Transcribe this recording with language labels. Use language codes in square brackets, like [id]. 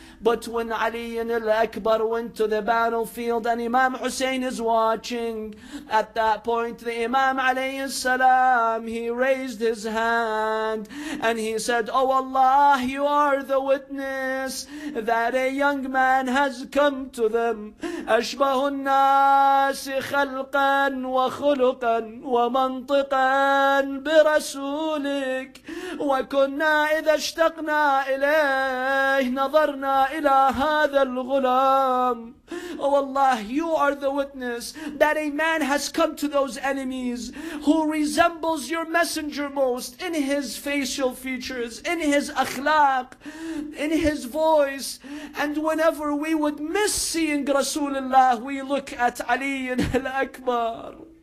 [en] But when Ali ibn al-Akbar went to the battlefield and Imam Hussein is watching, at that point the Imam alayhi salam, he raised his hand and he said, "Oh Allah, you are the witness that a young man has come to them. [ar] أشبه الناس خلقا وخلقا ومنطقا برسولك وكنا إذا اشتقنا إليه نظرنا إلى هذا الغلام." [en] Oh Allah, you are the witness that a man has come to those enemies who resembles your messenger most in his facial features, in his akhlaq, in his voice. And whenever we would miss seeing Rasulullah, we look at Ali ibn al-Akbar.